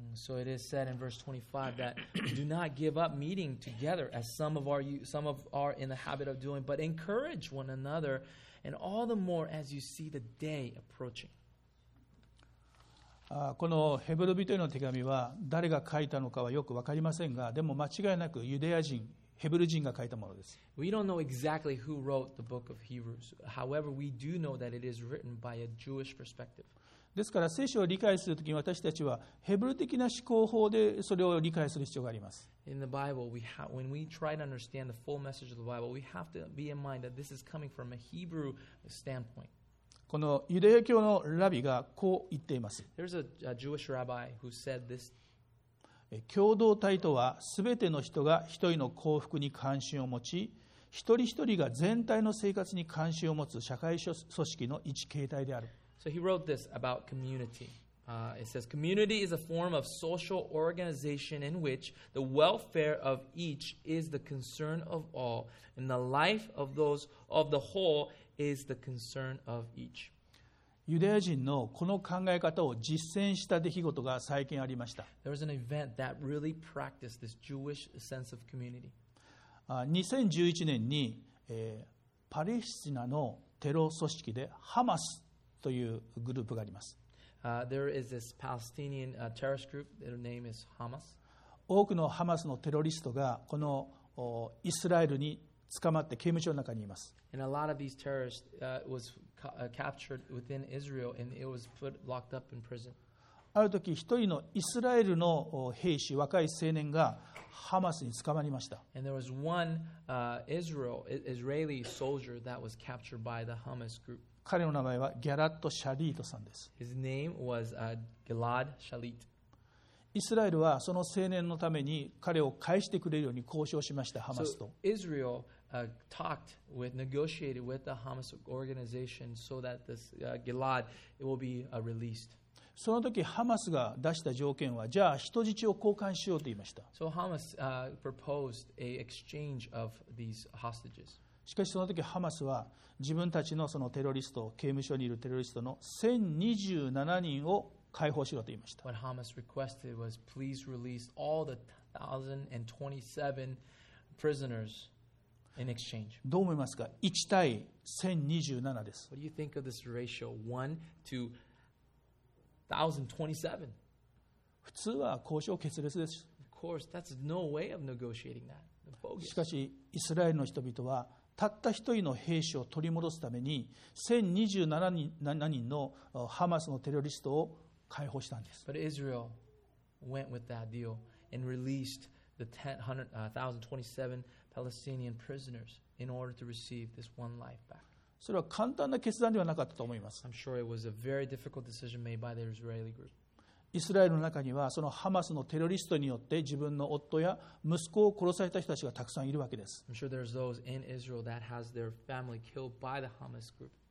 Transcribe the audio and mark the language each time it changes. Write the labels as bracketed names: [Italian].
[English] So it is said in verse 25 that do not give up meeting together as some are in the habit of doing, but encourage one another and all the more as you see the day approaching. [Japanese] このヘブル人への手紙は誰が書いたのかはよく分かりませんが、でも間違いなくユダヤ人、ヘブル人が書いたものです。 [English] We don't know exactly who wrote the book of Hebrews. However, we do know that it is written by a Jewish perspective. [Japanese] ですから聖書を理解するときに私たちはヘブル的な思考法でそれを理解する必要があります。 [English] In the Bible, when we try to understand the full message of the Bible, we have to be in mind that this is coming from a Hebrew standpoint. [Japanese] このユダヤ教のラビがこう言っています。 [English] There's a Jewish rabbi who said this. [Japanese] 共同体とは、すべての人が一人の幸福に関心を持ち、一人一人が全体の生活に関心を持つ社会組織の一形態である。 [English] So he wrote this about community. It says, community is a form of social organization in which the welfare of each is the concern of all, and the life of those of the whole is the concern of each. [Japanese] ユダヤ人のこの考え方を実践した出来事が最近ありました。 [English] There was an event that really practiced this Jewish sense of community. [Japanese] 2011年に、パレスチナのテロ組織でハマスというグループがあります。 [English] There is this Palestinian terrorist group. Their name is Hamas. [Japanese] 多くのハマスのテロリストがこのイスラエルに捕まって刑務所の中にいます。 [English] And a lot of these terrorists was captured within Israel and it was put locked up in prison. [Japanese] ある時一人のイスラエルの兵士、若い青年がハマスに捕まりました。 [English] And there was one Israeli soldier that was captured by the Hamas group. [Japanese] 彼の名前はギャラット・シャリートさんです。 [English] His name was Gilad Shalit. [Japanese] イスラエルはその青年のために彼を返してくれるように交渉しました、ハマスと。 [English] So, Israel, talked with, negotiated with the Hamas organization so that this, Gilad will be, released. [Japanese] その時、ハマスが出した条件は、じゃあ人質を交換しようと言いました。 [English] So, Hamas, proposed a exchange of these hostages. [Japanese] しかしその時、ハマスは自分たちのそのテロリスト、刑務所にいるテロリストの1027人を解放しろと言いました。 [English] What Hamas requested was please release all the 1,027 prisoners in exchange. [Japanese] どう思いますか ?1 対1027です。 [English] What do you think of this ratio? 1 to 1,027. [Japanese] 普通は交渉決裂です。 [English] Of course, that's no way of negotiating that. [Japanese] しかし、イスラエルの人々はたった一人の兵士を取り戻すために1,027人のハマスのテロリストを解放したんです。 [English] But Israel went with that deal and released the 1,027 Palestinian prisoners in order to receive this one life back. [Japanese] それは簡単な決断ではなかったと思います。 [English] I'm sure it was a very difficult decision made by the Israeli group. [Japanese] イスラエルの中にはそのハマスのテロリストによって自分の夫や息子を殺された人たちがたくさんいるわけです。 [English] I'm sure there's those in Israel that has their family killed by the Hamas group.